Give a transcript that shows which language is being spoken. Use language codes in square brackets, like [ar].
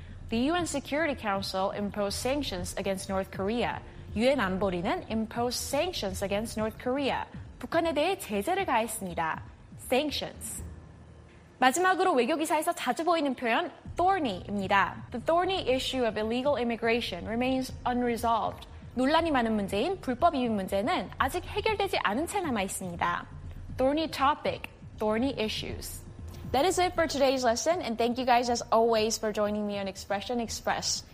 [en] The UN Security Council imposed sanctions against North Korea. [ko] UN 안보리는 [en] imposed sanctions against North Korea. [ko] 북한에 대해 제재를 가했습니다. Sanctions. 마지막으로 외교기사에서 자주 보이는 표현, thorny입니다. [en] The thorny issue of illegal immigration remains unresolved. [ko] 논란이 많은 문제인 불법 이민 문제는 아직 해결되지 않은 채 남아있습니다. [en] Thorny topic, thorny issues. That is it for today's lesson, and thank you guys as always for joining me on Expression Express.